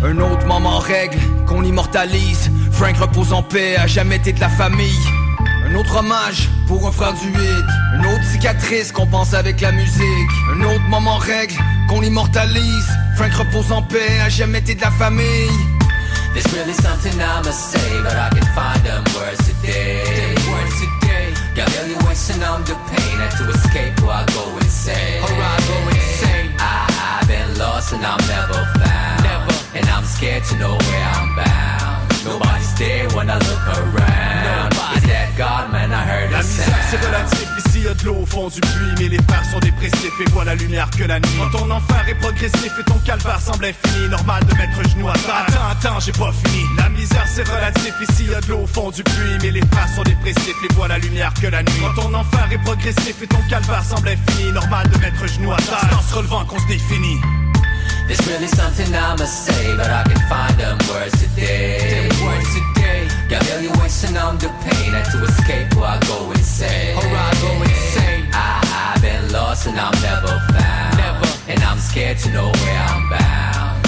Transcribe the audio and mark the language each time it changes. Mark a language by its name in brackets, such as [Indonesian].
[French] Un autre moment en règle, qu'on immortalise. Frank repose en paix, a jamais été de la famille. Un autre hommage pour un frère du 8. Une autre cicatrice qu'on pense avec la musique. Un autre moment règle qu'on immortalise. Frank repose en paix, a jamais été de la famille. [English] There's really something I must say, but I can find them words today. Words today. Got really wishing on the pain, and to escape, or I go insane. Or I go insane. I've been lost and I'm never found. Never. And I'm scared to know where I'm bound. Nobody's there when I look around. Nobody. God, man, I heard [French] la misère [English] sound. [French] C'est relatif, ici y'a de l'eau au fond du puits. Mais les pères sont dépressifs et voient la lumière que la nuit. Quand ton enfer est progressif et ton calvaire semble infini, normal de mettre un genou à terre. Attends, attends, j'ai pas fini. La misère c'est relatif, ici y'a de l'eau au fond du puits. Mais les pères sont dépressifs et voient la lumière que la nuit. Quand ton enfer est progressif et ton calvaire semble infini, normal de mettre un genou à terre. C'est en se relevant qu'on se définit. [English] There's really something I must say, but I can find them words today. Them words today. Got really wishing on the pain, and to escape, or I'll go insane. Or I'll go insane. I've been lost and I'm never found. Never. And I'm scared to know where I'm bound.